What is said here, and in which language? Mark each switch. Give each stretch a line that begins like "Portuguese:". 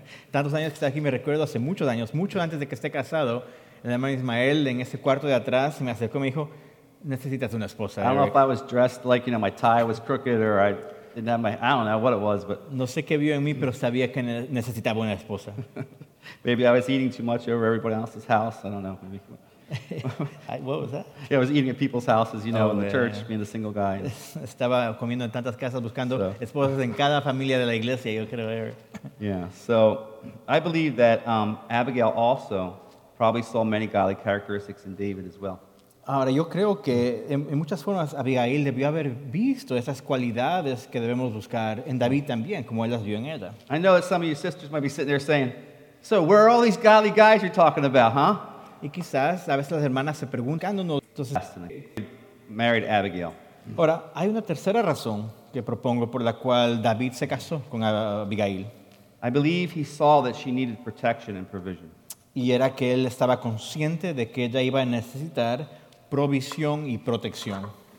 Spanish: Tantos años que estoy aquí, me recuerdo hace muchos años, mucho antes de que esté casado, el hermano Ismael, en ese cuarto de atrás, me acercó y me dijo, necesitas una esposa.
English: I don't know if I was dressed like, you know, my tie was crooked or I didn't have my, I don't know what it was, but.
Spanish: No sé qué vio en mí, pero sabía que necesitaba una esposa.
English: Maybe I was eating too much over everybody else's house, I don't know. Maybe. What was that? Yeah, I was eating at people's houses, you know, oh, in the church, being the single guy.
Spanish: Estaba comiendo en tantas casas buscando esposas en cada familia de la iglesia, yo creo.
English: Yeah, so I believe that Abigail also probably saw many godly characteristics in David as well.
Spanish: Ahora, yo creo que en muchas formas Abigail debió haber visto esas cualidades que debemos buscar en David también, como él las vio en ella.
English: I know that some of your sisters might be sitting there saying, so where are all these godly guys you're talking about, huh?
Spanish: Y quizás a veces las hermanas se preguntándonos, entonces,
English: married Abigail.
Spanish: Ahora, hay una tercera razón que propongo por la cual David se casó con Abigail.
English: I believe he saw that she needed protection and provision.
Spanish: Y era que él estaba consciente de que ella iba a necesitar provisión y protección.